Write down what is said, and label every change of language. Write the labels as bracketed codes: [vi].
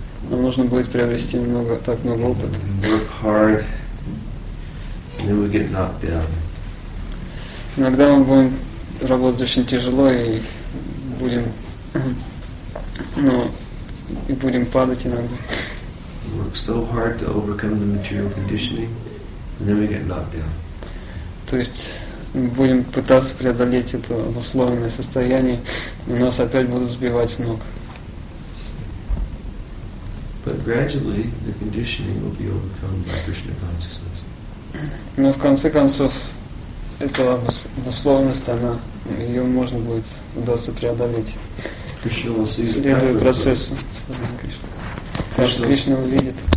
[ru] Нам нужно будет приобрести так много опыта. Иногда мы будем работать очень тяжело и будем падать иногда. [en] Work so hard to overcome the material conditioning, and then we get knocked down. [ru] То есть будем пытаться преодолеть это обусловленное состояние, но нас опять будут сбивать с ног. [en] But gradually the conditioning will be overcome by Krishna consciousness. [ru] Но в конце концов эта обусловленность, ее можно будет удастся преодолеть. следуя процессу. Так что Кришна увидит.